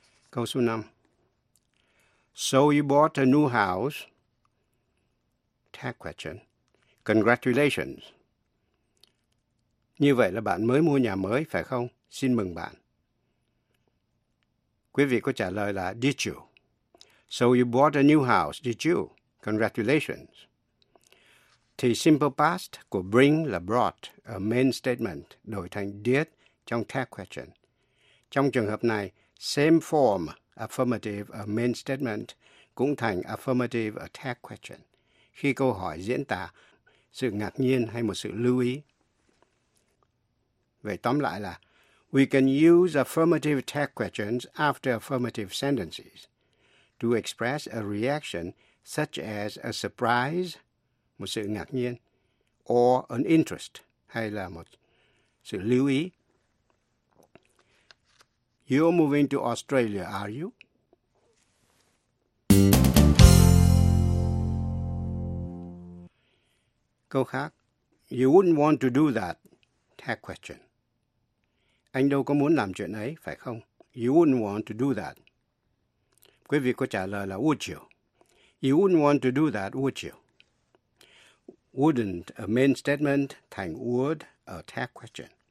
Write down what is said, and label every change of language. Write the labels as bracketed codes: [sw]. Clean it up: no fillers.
[vi] Câu số 5. [en] So you bought a new house? Tech question. Congratulations. [vi] Như vậy là bạn mới mua nhà mới phải không? Xin mừng bạn. Quý vị có trả lời là [en] did you? So you bought a new house, did you? Congratulations. [vi] Thì simple past của bring là brought, [en] a main statement, [vi] đổi thành did trong tag question. Trong trường hợp này, [en] same form, affirmative, a main statement, [vi] cũng thành [en] affirmative, a tag question. [vi] Khi câu hỏi diễn tả sự ngạc nhiên hay một sự lưu ý. Vậy tóm lại là, [en] we can use affirmative tag questions after affirmative sentences to express a reaction such as a surprise, [vi] một sự ngạc nhiên, [en] or an interest, [vi] hay là một sự lưu ý. [en] You're moving to Australia, are you? [vi] Câu khác, [en] you wouldn't want to do that, tag question. [vi] Anh đâu có muốn làm chuyện ấy, phải không? [en] You wouldn't want to do that. [vi] Quý vị có trả lời là [en] would you? You wouldn't want to do that, would you? Wouldn't, a main statement, thành would, a tag question.